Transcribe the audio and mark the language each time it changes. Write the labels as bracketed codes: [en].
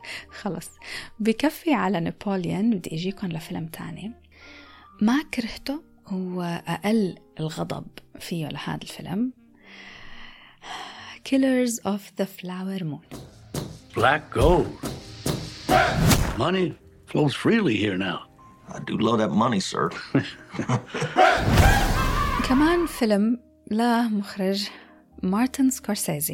[ar] خلص بكفي على نابوليون، بدي اجيكم لفيلم تاني. ما كرهته، هو اقل الغضب فيه لهذا الفيلم، Killers of the Flower Moon. [en] Black gold. Money flows freely here now. I do love that money, sir. [ar] كمان فيلم لا مخرج مارتن سكورسيزي.